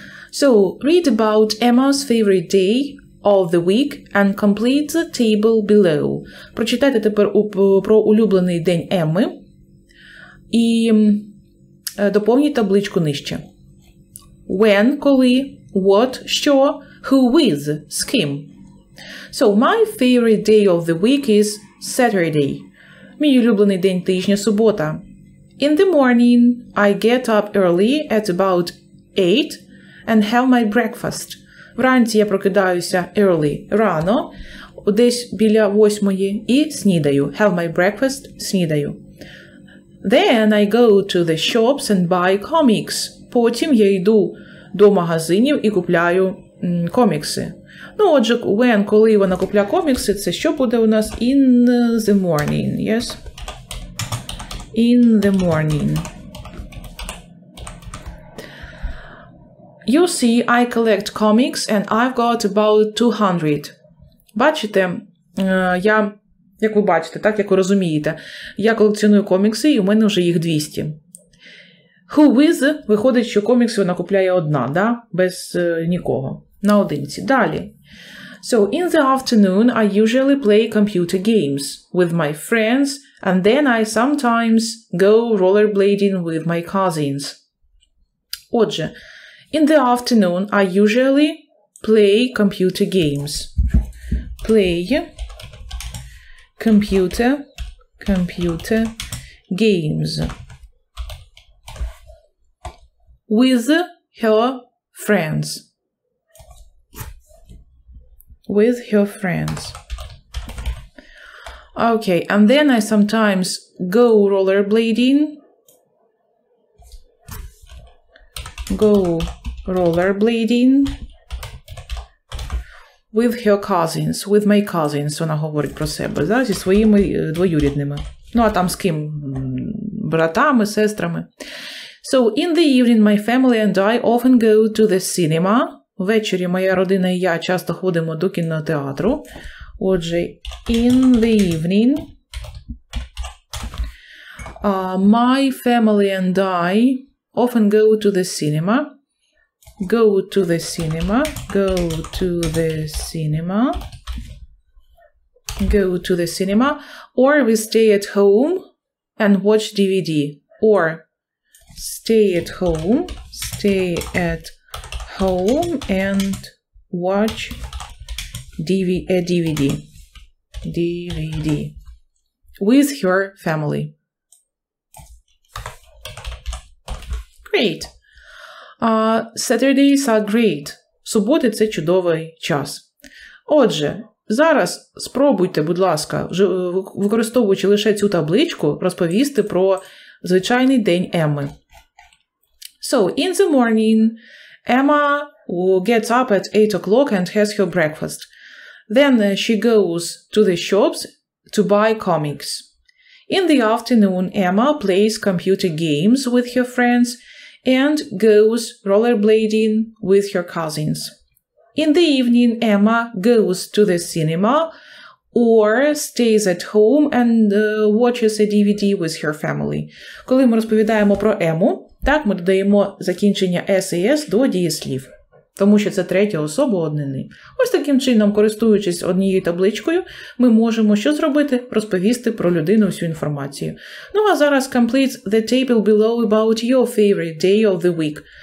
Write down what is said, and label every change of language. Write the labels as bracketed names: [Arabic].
[English] So, read about Emma's favorite day of the week and complete the table below. [Ukrainian] Прочитайте тепер про улюблений день Емми і доповніть табличку нижче. [English] When, [Ukrainian] коли... [English] What, [Ukrainian] що, [English] who, with, [Ukrainian] з ким. [English] So, my favorite day of the week is Saturday. [Ukrainian] Мій улюблений день тижня – субота. [English] In the morning, I get up early at about 8 and have my breakfast. [Ukrainian] Вранці я прокидаюся early – рано, десь біля 8 і снідаю. [English] Have my breakfast – [Ukrainian] снідаю. [English] Then I go to the shops and buy comics. [Ukrainian] Потім я йду до магазинів і купляю комікси. Ну, отже, when, коли вона купля комікси, це що буде у нас? [English] In the morning, yes? In the morning. You see, I collect comics and I've got about 200. [Ukrainian] Бачите, я, як ви бачите, так, як ви розумієте, я колекціоную комікси і у мене вже їх 200. [English] Who with? [Ukrainian] Виходить, що комікси вона купляє одна, да? Без нікого. Наодинці. Далі. [English] So, in the afternoon, I usually play computer games with my friends, and then I sometimes go rollerblading with my cousins. [Ukrainian] Отже, [English] in the afternoon, I usually play computer games. Play computer games. With her friends. With her friends. Okay, and then I sometimes go rollerblading. Go rollerblading. With her cousins. With my cousins. [Ukrainian] Вона говорить про себе, да? Зі своїми двоюрідними. Ну, а там з ким братами, сестрами. [English] So, in the evening, my family and I often go to the cinema. [Ukrainian] Ввечері моя родина і я часто ходимо до кінотеатру. Отже, [English] in the evening, my family and I often go to the cinema. Go to the cinema. Go to the cinema. Go to the cinema. Or we stay at home and watch DVD. Or stay at home. Stay at home and watch DVD. DVD. With your family. Great. Saturdays are great. [Ukrainian] Суботи – це чудовий час. Отже, зараз спробуйте, будь ласка, використовуючи лише цю табличку, розповісти про звичайний день Емми. [English] So, in the morning, Emma gets up at 8 o'clock and has her breakfast. Then she goes to the shops to buy comics. In the afternoon, Emma plays computer games with her friends and goes rollerblading with her cousins. In the evening, Emma goes to the cinema or stays at home and watches a DVD with her family. [Ukrainian] Коли ми розповідаємо про Ему, так ми додаємо закінчення SAS до дієслів, тому що це третя особа однини. Ось таким чином, користуючись однією табличкою, ми можемо що зробити? Розповісти про людину всю інформацію. Ну а зараз [English] complete the table below about your favorite day of the week.